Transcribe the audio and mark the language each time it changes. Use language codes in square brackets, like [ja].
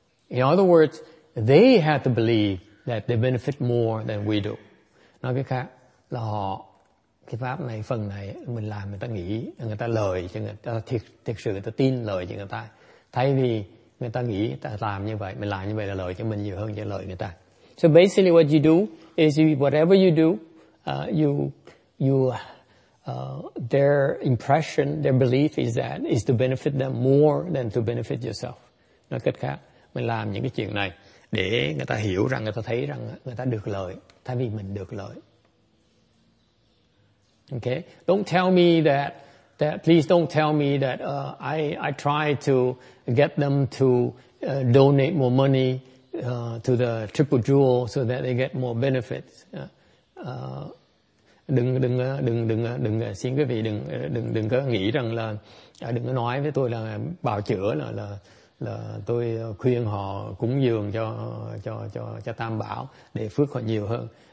[en] In other words, they have to believe that they benefit more than we do. [vi] Nói cái khác là họ cái pháp này phần này mình làm người ta nghĩ người ta lợi cho người ta thiệt sự người ta tin lợi cho người ta. Thay vì người ta nghĩ ta làm như vậy, mình làm như vậy là lợi cho mình nhiều hơn cho lợi người ta. [en] So basically what you do is their impression, their belief is that is to benefit them more than to benefit yourself. [vi] Nói cách khác, mình làm những cái chuyện này để người ta hiểu rằng, người ta thấy rằng người ta được lợi thay vì mình được lợi. [en] Okay, don't tell me that. Please don't tell me that I try to get them to donate more money to the Triple Jewel so that they get more benefits. [vi] Đừng xin quý vị đừng có nghĩ rằng là đừng có nói với tôi là bào chữa là tôi khuyên họ cúng dường cho Tam Bảo để phước họ nhiều hơn.